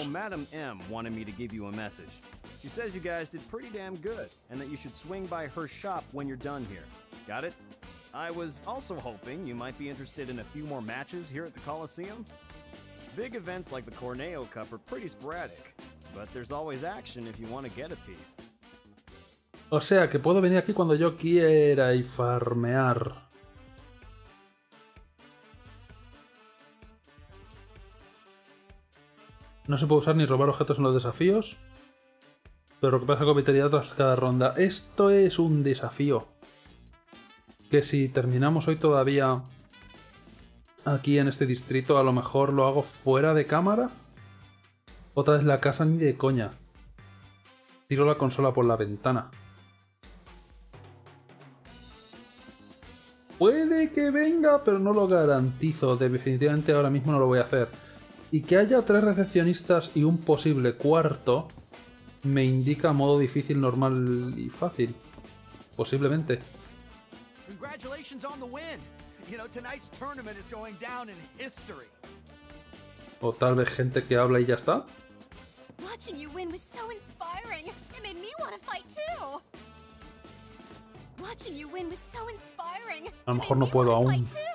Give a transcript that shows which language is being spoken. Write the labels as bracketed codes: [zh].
[en] So Madam M wanted me to give you a message. She says you guys did pretty damn good, and that you should swing by her shop when you're done here. Got it? I was also hoping you might be interested in a few more matches here at the Coliseum. Big events like the Corneo Cup are pretty sporadic, but there's always action if you want to get a piece. [es] O sea, que puedo venir aquí cuando yo quiera y farmear. No se puede usar ni robar objetos en los desafíos. Pero lo que pasa es que cometería tras cada ronda. Esto es un desafío. Que si terminamos hoy todavía aquí en este distrito, a lo mejor lo hago fuera de cámara. Otra vez la casa ni de coña. Tiro la consola por la ventana. Puede que venga, pero no lo garantizo. Definitivamente ahora mismo no lo voy a hacer. Y que haya tres recepcionistas y un posible cuarto me indica modo difícil, normal y fácil. Posiblemente. [en] Congratulations on the win. You know, tonight's tournament is going down in history. [es] O tal vez gente que habla y ya está. [en] Watching you win was so inspiring. It made me want to fight too. Watching you win was so inspiring. [es] A lo mejor no puedo aún.